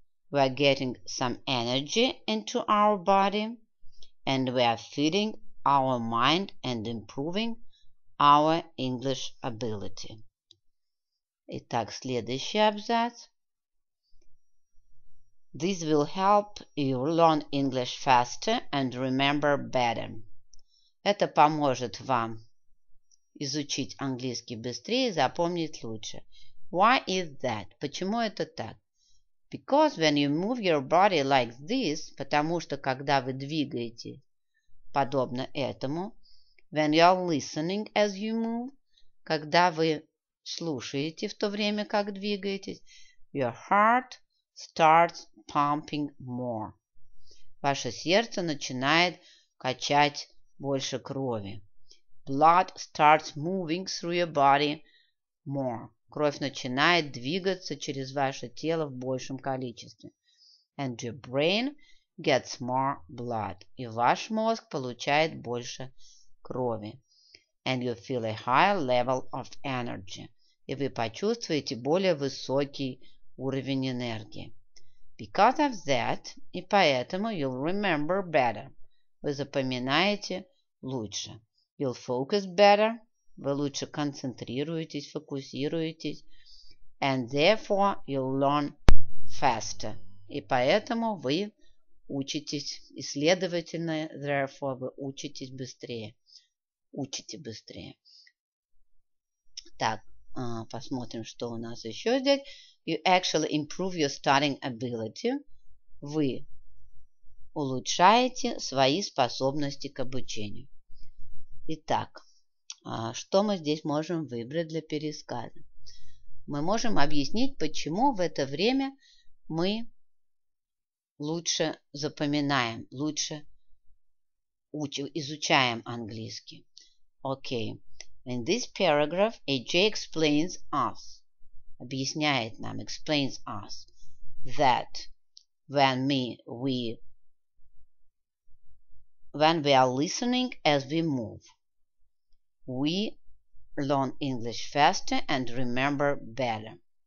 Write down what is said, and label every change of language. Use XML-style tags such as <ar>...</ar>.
<en>We are getting some energy into our body and we are feeding our mind and improving our English ability.</en> <ru>Итак, следующий абзац.</ru> <en>This will help you learn English faster and remember better.</en> <ru>Это поможет вам изучить английский быстрее и запомнить лучше.</ru> <en>Why is that?</en> <ru>Почему это так?</ru> <en>Because when you move your body like this,</en> <ru>потому что когда вы двигаете подобно этому,</ru> <en>when you are listening as you move,</en> <ru>когда вы слушаете в то время, как двигаетесь,</ru> <en>your heart starts pumping more.</en> <ru>Ваше сердце начинает качать больше крови.</ru> <en>Blood starts moving through your body more.</en> <ru>Кровь начинает двигаться через ваше тело в большем количестве.</ru> <en>And your brain gets more blood.</en> <ru>И ваш мозг получает больше крови.</ru> <en>And you feel a higher level of energy.</en> <ru>И вы почувствуете более высокий уровень энергии.</ru> <en>Because of that,</en> <ru>и поэтому</ru> <en>you'll remember better.</en> <ru>Вы запоминаете лучше.</ru> <en>You'll focus better.</en> <ru>Вы лучше концентрируетесь, фокусируетесь.</ru> <en>And therefore you'll learn faster.</en> <ru>И поэтому вы учитесь, и следовательно, therefore, вы учитесь быстрее. Учите быстрее. Так, посмотрим, что у нас еще здесь.</ru> <en>You actually improve your studying ability.</en> <ru>Вы улучшаете свои способности к обучению. Итак, что мы здесь можем выбрать для пересказа? Мы можем объяснить, почему в это время мы лучше запоминаем, лучше изучаем английский. Окей. Okay.</ru> <en>In this paragraph, AJ explains us,</en> <ru>объясняет нам,</ru> <en>explains us, that when we are listening as we move, we learn English faster and remember better.</en>